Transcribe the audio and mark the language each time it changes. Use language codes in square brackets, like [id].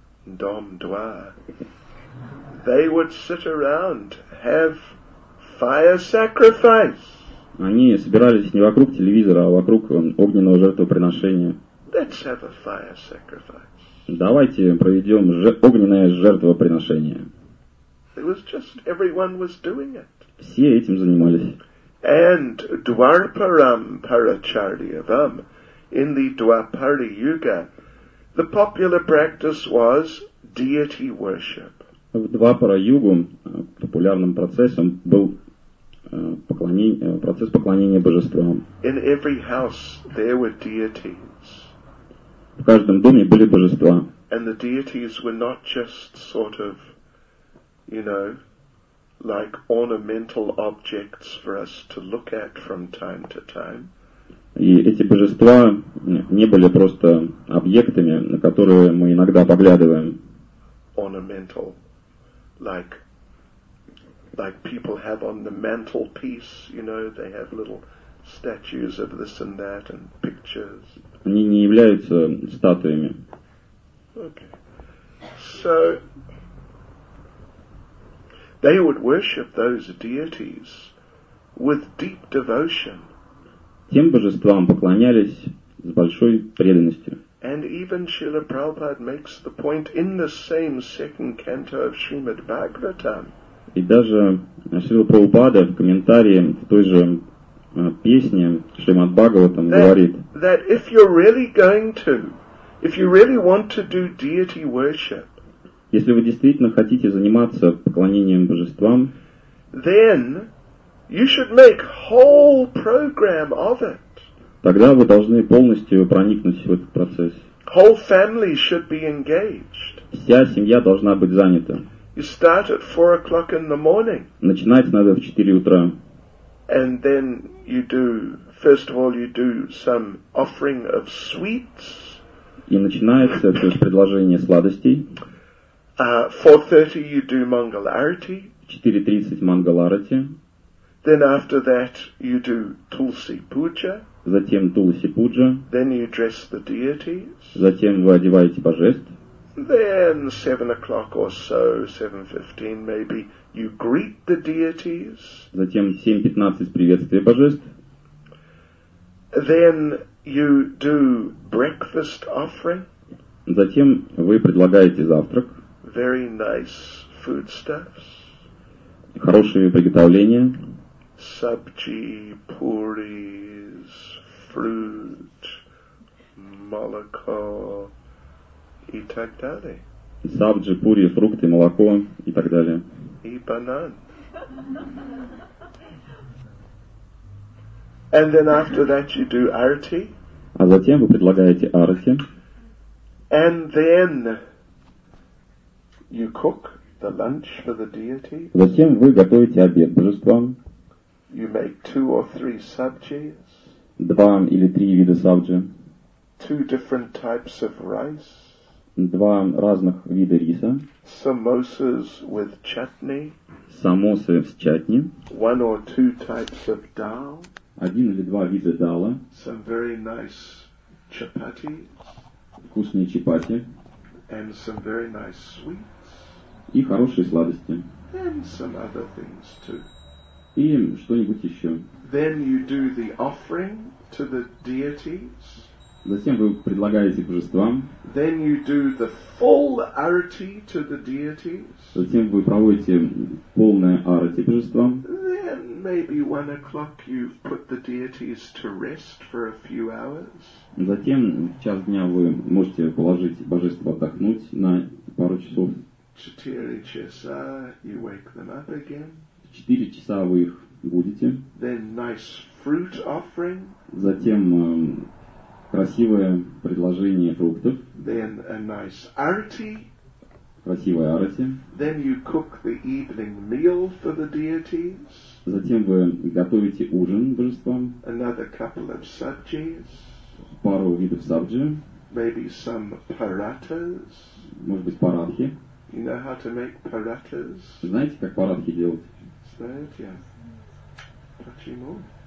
[ru] Дом два. [en] They would sit around, have fire sacrifice. [ru] Они собирались не вокруг телевизора, а вокруг огненного жертвоприношения. [en] Let's have a fire sacrifice. [ru] Давайте проведем огненное жертвоприношение. [en] It was just everyone was doing it. [ru] Все этим занимались. [en] And Dwarparam Paracharyavam, in the Dwapari Yuga, the popular practice was deity worship. [ru] В Двапара-югу популярным процессом был процесс поклонения божествам. [en] In every house there were deities. [ru] В каждом доме были божества. [en] And the deities were not just sort of, you know, like ornamental objects for us to look at from time to time. [ru] И эти божества не были просто объектами, на которые мы иногда поглядываем. [en] Ornamental. Like people have on the mantelpiece, you know, they have little statues of this and that and pictures. [ru] Они не являются статуями. [en] Okay. So they would worship those deities with deep devotion. [ru] Тем божествам поклонялись с большой преданностью. [en] And even Srila Prabhupada makes the point in the same second canto of Srimad Bhagavatam. [ru] И даже Шрила Прабхупада в комментарии в той же песне Шримад Бхагаватам говорит, [en] that if you're really going to, if you really want to do deity worship, [ru] Если вы действительно хотите заниматься поклонением божествам, [en] then you should make whole program of it. [ru] Тогда вы должны полностью проникнуть в этот процесс. [en] Whole family should be engaged. [ru] Вся семья должна быть занята. [en] You start at 4 o'clock in the morning. [ru] Начинать надо в 4 утра. [en] And then you do, first of all, you do some offering of sweets. [ru] И начинается то есть предложение сладостей. [en] 4:30 you do Mangal Arati. [ru] 4:30 Mangal Arati. [en] Then after that you do Tulsi Puja. [ru] Затем Тулси Пуджа. [en] Then you dress the deities. [ru] Затем вы одеваете божеств. [en] Then 7 o'clock or so, 7:15 maybe, you greet the deities. [ru] Затем 7:15 приветствие божеств. [en] Then you do breakfast offering. [ru] Затем вы предлагаете завтрак. [en] Very nice foodstuffs. [ru] Хорошие приготовления. [en] Sabji, puris, fruit, molokho. [ru] И так далее. Сабджи, пури, фрукты, молоко и так далее. И банан. [en] And then after that you do arati. [ru] А затем вы предлагаете арати. [en] And then you cook the lunch for the deity. [ru] Затем вы готовите обед божествам. [en] You make 2 or 3 sabjis. [ru] 2 или 3 вида сабджи. [en] 2 different types of rice. [ru] 2 разных вида риса. [en] Samosas with chutney. [ru] Самосы с чатни. [en] 1 or 2 types of dal. [ru] 1 или 2 вида дала. [en] Some very nice chapati. [ru] Вкусные чапати. [en] And some very nice sweets. [ru] И хорошие сладости. [en] And some other things too. [ru] И что-нибудь еще. [en] Then you do the offering to the deities. [ru] Затем вы предлагаете божествам. [en] Then you do the full arati to the deities. [ru] Затем вы проводите полное арати божествам. [en] Then maybe 1 o'clock you put the deities to rest for a few hours. [ru] Затем в час дня вы можете положить божество отдохнуть на пару часов. 4 часа [en] you wake them up again. [ru] 4 часа вы их будете. [en] Then nice fruit offering. [ru] Затем красивое предложение фруктов. [en] Then a nice arati. [ru] Красивое арати. [en] Then you cook the evening meal for the deities. [ru] Затем вы готовите ужин божествам. [en] Another couple of sabjis. [ru] Пару видов сабджи. [en] Maybe some parathas. [ru] Может быть, парадхи. [en] You know how to make parathas? [ru] Знаете, как парадхи делать? Знаете, я. Почему?